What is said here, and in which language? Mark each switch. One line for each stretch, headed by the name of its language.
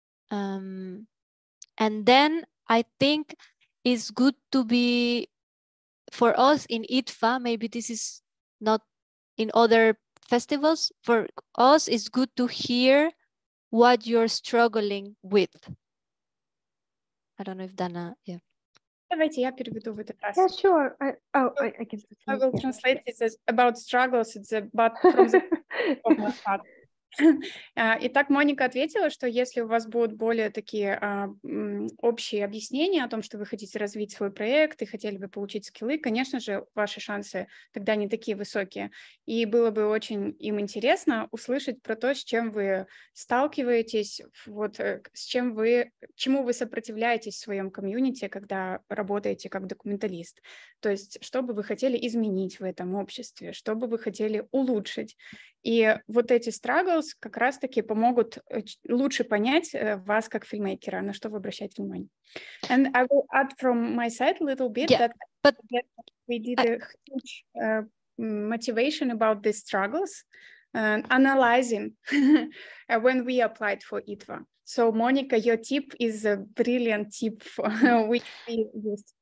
English: And then I think it's good to be, for us in IDFA, maybe this is not in other festivals, for us it's good to hear what you're struggling with, I don't know if Dana, yeah.
Russian: Давайте я переведу в этот раз.
English: Yeah, sure. I can. I will translate this as about struggles. It's about from the of my heart.
Russian: Итак, Моника ответила, что если у вас будут более такие общие объяснения о том, что вы хотите развить свой проект и хотели бы получить скиллы, конечно же, ваши шансы тогда не такие высокие. И было бы очень им интересно услышать про то, с чем вы сталкиваетесь, вот, с чем вы, чему вы сопротивляетесь в своем комьюнити, когда работаете как документалист. То есть, что бы вы хотели изменить в этом обществе, что бы вы хотели улучшить. И вот эти struggles как раз-таки помогут лучше понять вас как фильмейкера, на что вы обращаете внимание.
English: And I will add from my side a little bit that we did a huge motivation about these struggles, analyzing when we applied for ITVA. So, Monica, your tip is a brilliant tip for, which we used.